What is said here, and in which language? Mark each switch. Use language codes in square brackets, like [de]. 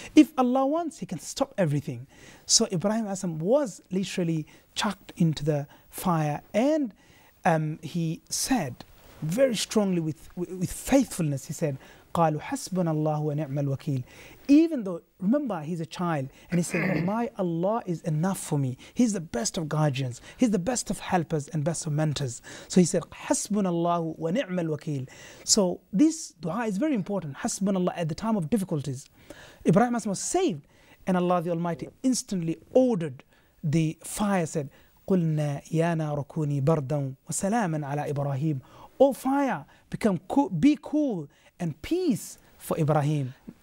[en] If Allah wants, he can stop everything. So Ibrahim alayhi salam was literally chucked into the fire and he said very strongly with faithfulness, he said, [ar] قَالُوا حَسْبُنَ اللَّهُ وَنِعْمَ الْوَكِيلُ. [en] Even though, remember, he's a child, and he said, my Allah is enough for me. He's the best of guardians. He's the best of helpers and best of mentors. So he said, [ar] حَسْبُنَ اللَّهُ وَنِعْمَ الْوَكِيلُ. [en] So this dua is very important. [ar] حَسْبُنَ اللَّهُ, [en] at the time of difficulties. Ibrahim was saved, and Allah the Almighty instantly ordered the fire, said, [ar] قُلْنَا يَا نَارُ كُونِي بَرْدًا وَسَلَامًا عَلَىٰ إِبْرَاهِيمُ. [en] O fire, become cool, be cool and peace for Ibrahim.